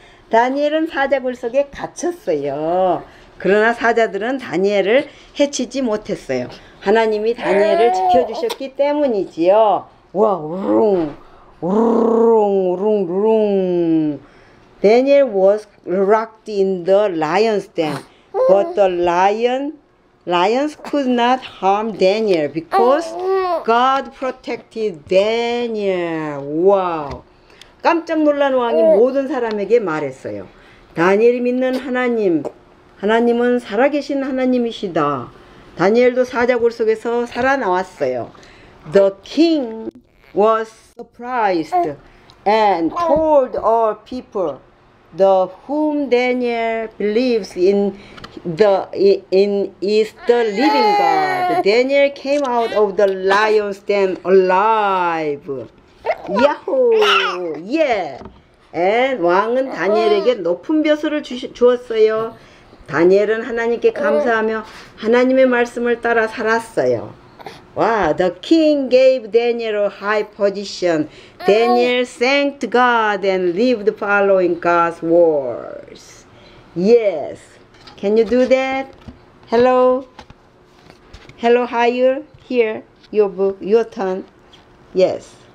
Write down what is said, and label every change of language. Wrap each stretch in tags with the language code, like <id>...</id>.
<ko>다니엘은 사자굴 속에 갇혔어요. 그러나 사자들은 다니엘을 해치지 못했어요. 하나님이 다니엘을 지켜주셨기 때문이지요. 와, 우릉, 우릉, 우릉, 우릉.</ko> <en>Daniel was locked in the lion's den, but the lions could not harm Daniel because God protected Daniel. Wow.</en> <ko>깜짝 놀란 왕이 모든 사람에게 말했어요. 다니엘이 믿는 하나님, 하나님은 살아계신 하나님이시다. 다니엘도 사자굴 속에서 살아나왔어요.</ko> <en>The king was surprised and told all people the whom Daniel believes in is the living God. Daniel came out of the lion's den alive. Yahoo! Yeah!</en> <ko>And 왕은 다니엘에게 높은 벼슬을 주었어요. 다니엘은 하나님께 감사하며 하나님의 말씀을 따라 살았어요.</ko> <en>Wow, the king gave Daniel a high position. Daniel thanked God and lived following God's words. Yes. Can you do that? Hello. Hello, Hayul. Here, your book, your turn. Yes.</en>